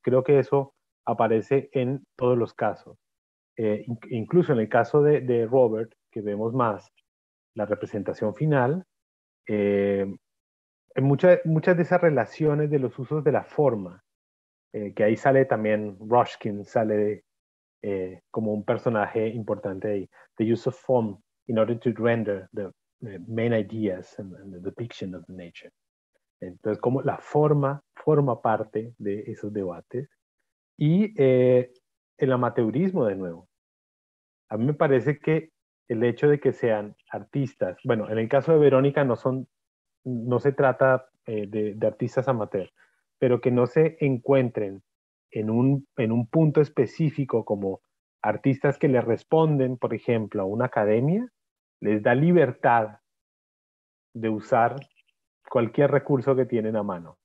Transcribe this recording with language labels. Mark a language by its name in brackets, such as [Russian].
[Spanish] Creo que eso aparece en todos los casos. Incluso en el caso de Robert, que vemos más la representación final, en muchas de esas relaciones de los usos de la forma, que ahí sale también Rushkin, sale como un personaje importante ahí. [English] The use of form in order to render the main ideas and the depiction of the nature. [Spanish] Entonces, como la forma forma parte de esos debates. Y el amateurismo, de nuevo. A mí me parece que el hecho de que sean artistas, bueno, en el caso de Verónica no se trata de artistas amateur, pero que no se encuentren en un punto específico como artistas que le responden, por ejemplo, a una academia, les da libertad de usar cualquier recurso que tienen a mano.